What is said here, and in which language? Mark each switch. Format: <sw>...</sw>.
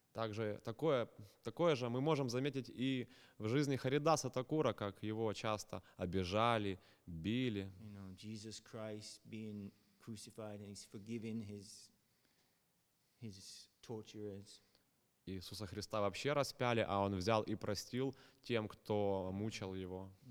<ru>Также такое же мы можем заметить и в жизни Харидаса Такура, как его часто обижали, били.</ru> <en>You know, Jesus Christ being crucified and he's forgiven his torturers.</en> <ru>Иисуса Христа вообще распяли, а он взял и простил тем, кто мучил его.</ru>